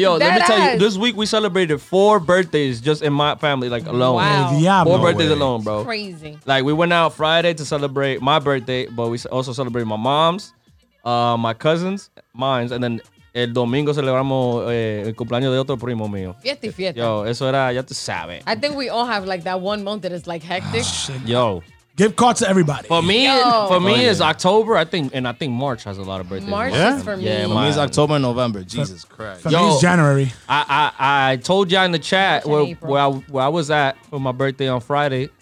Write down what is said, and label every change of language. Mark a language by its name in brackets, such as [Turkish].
[English] Yo, let me tell you, this week we celebrated 4 birthdays just in my family, like alone. Wow. [Spanish] Diablo. [English] 4 birthdays alone, bro. Crazy. Like, we went out Friday to celebrate my birthday, but we also celebrated my mom's, my cousins, mine's, and then... [Spanish] El domingo celebramos el cumpleaños de otro primo mío. Fiesta y fiesta. Yo, eso era, ya tú sabes. [English] I think we all have like that one month that is like hectic. Yo. Give cards to everybody. For me, yeah. It's October, I think March has a lot of birthdays. March is for me. Yeah, for me it's October and November. Jesus Christ. For me it's January. I told y'all in the chat where I was at for my birthday on Friday.